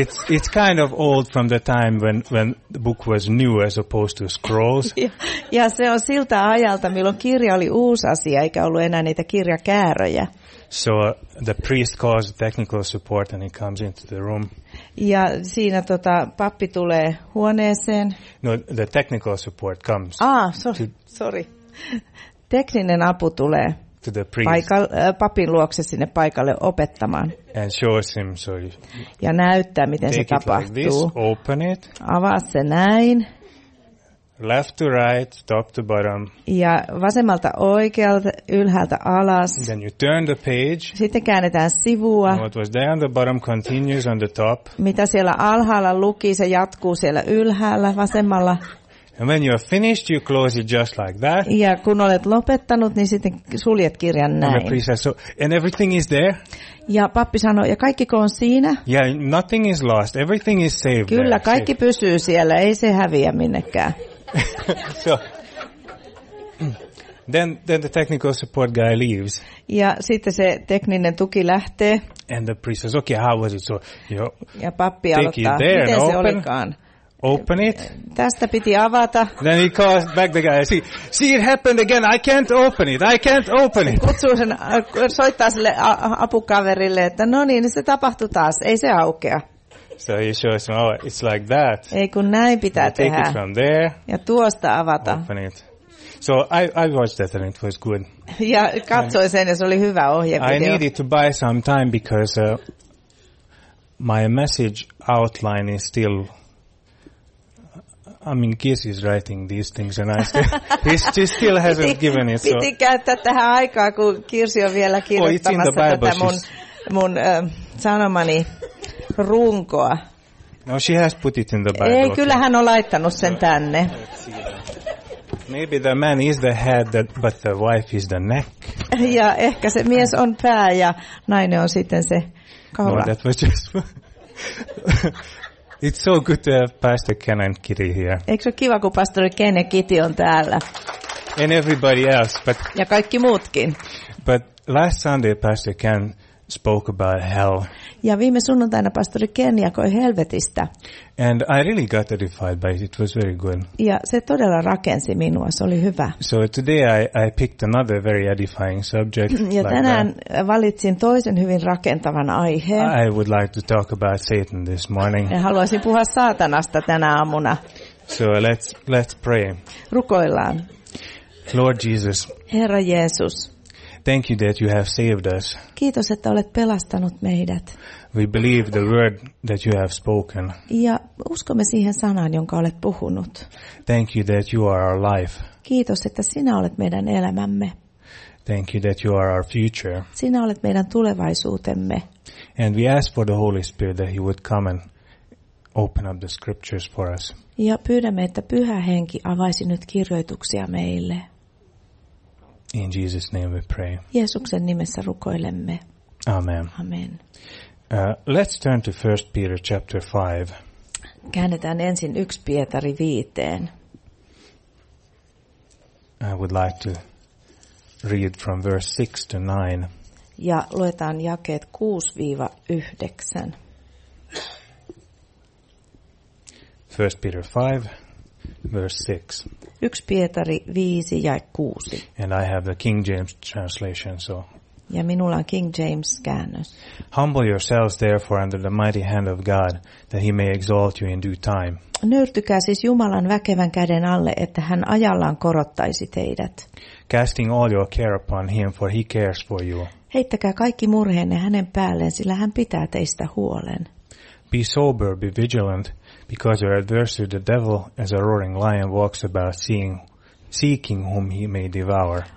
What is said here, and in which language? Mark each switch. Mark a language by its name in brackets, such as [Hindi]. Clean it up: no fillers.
[English] It's kind of old from the time when the book was new as opposed to scrolls. [Finnish] Ja se on siltä ajalta, milloin kirja oli uusi asia, eikä ollut enää niitä kirjakääröjä. [English] So the priest calls the technical support and he comes into the room. [Finnish] Ja siinä pappi tulee huoneeseen. [English] No, the technical support comes. Ah, sorry. [Finnish] Tekninen apu tulee [English] to the priest. [Finnish] Papin luokse sinne paikalle opettamaan. [English] And shows him, so [Finnish] ja näyttää, miten [English] take [Finnish] se tapahtuu. [English] It like this, open it. [Finnish] Avaa se näin. [English] Left to right, top to bottom. [Finnish] Ja vasemmalta oikealta, ylhäältä alas. [English] Then you turn the page. [Finnish] Sitten käännetään sivua. [English] And what was there on the bottom continues on the top. [Finnish] Mitä siellä alhaalla luki, se jatkuu siellä ylhäällä vasemmalla. [English] And when you are finished, you close it just like that. [Finnish] Ja kun olet lopettanut, niin sitten suljet kirjan näin. [English] And the priest says, so, and everything is there. [Finnish] Ja pappi sanoi, ja kaikki kun on siinä. [English] Yeah, nothing is lost. Everything is saved. [Finnish] Kyllä, [English] there. [Finnish] Kaikki safe. Pysyy siellä. Ei se häviä minnekään. [English] So, then the technical support guy leaves. [Finnish] Ja sitten se tekninen tuki lähtee. [English] And the priest says, okay, how was it? So, you [Finnish] ja pappi aloittaa, miten se olikaan. [English] Open it. [Finnish] Tästä piti avata. [English] Then he calls back the guy. See, it happened again. I can't open it. [Finnish] Kutsuu sen, soittaa sille apukaverille, että no niin, se tapahtui taas. Ei se aukea. [English] So he shows him, oh, it's like that. [Finnish] Ei kun näin pitää [English] you [Finnish] tehdä. [English] Take it from there. [Finnish] Ja tuosta avata. [English] Open it. So I watched that and it was good. [Finnish] Ja katsoin sen ja se oli hyvä ohjevideo. [English] I needed to buy some time because my message outline is still... I mean, Kiss is writing these things, and I still hasn't given it. [Finnish] Piti käyttää tähän aikaa, kun Kirsi on vielä kirjoittamassa tätä mun sanomani runkoa. [English] No, she has put it in the Bible. [Finnish] Ei, kyllähän on laittanut sen tänne. [English] Maybe the man is the head, but the wife is the neck. [Finnish] Ja ehkä se mies on pää, ja nainen on sitten se kaula. [English] No, that was just... It's so good to have Pastor Ken and Kitty here. [Finnish] Eikö se ole kiva, kun Pastori Ken ja Kitty on täällä? [English] And everybody else, but [Finnish] ja kaikki muutkin. [English] But last Sunday Pastor Ken spoke about hell. [Finnish] Ja viime sunnuntaina Pastori Ken jakoi helvetistä. [English] And I really got edified by it. It was very good. [Finnish] Ja se todella rakensi minua. Se oli hyvä. [English] So today I picked another very edifying subject. [Finnish] Ja [English] like [Finnish] tänään [English] that. [Finnish] Valitsin toisen hyvin rakentavan aiheen. [English] I would like to talk about Satan this morning. [Finnish] Ja haluaisin puhua saatanasta tänä aamuna. [English] So let's pray. [Finnish] Rukoillaan. [English] Lord Jesus. [Finnish] Herra Jeesus. [English] Thank you that you have saved us. [Finnish] Kiitos, että olet pelastanut meidät. [English] We believe the word that you have spoken. [Finnish] Ja uskomme siihen sanaan, jonka olet puhunut. [English] Thank you that you are our life. [Finnish] Kiitos, että sinä olet meidän elämämme. [English] Thank you that you are our future. [Finnish] Sinä olet meidän tulevaisuutemme. [English] And we ask for the Holy Spirit that he would come and open up the scriptures for us. [Finnish] Ja pyydämme, että Pyhä Henki avaisi nyt kirjoituksia meille. [English] In Jesus' name we pray. [Finnish] Jeesuksen nimessä rukoilemme. [English] Amen. [Finnish] Amen. [English] Let's turn to 1 Peter chapter 5. [Finnish] Käännetään ensin 1 Pietari 5. [English] I would like to read from verse 6 to 9. [Finnish] Ja luetaan jakeet 6-9. [English] 1 Peter 5, verse 6. [Finnish] 1 Pietari 5 ja 6. [English] And I have the King James translation, so. [Finnish] Ja minulla on King James -käännös. [English] Humble yourselves therefore under the mighty hand of God, that he may exalt you in due time. [Finnish] Nöyrtykää siis Jumalan väkevän käden alle, että hän ajallaan korottaisi teidät. [English] Casting all your care upon him, for he cares for you. [Finnish] Heittäkää kaikki murheenne hänen päälleen, sillä hän pitää teistä huolen. [English] Be sober, be vigilant, because your adversary the devil as a roaring lion walks about seeking whom he may devour.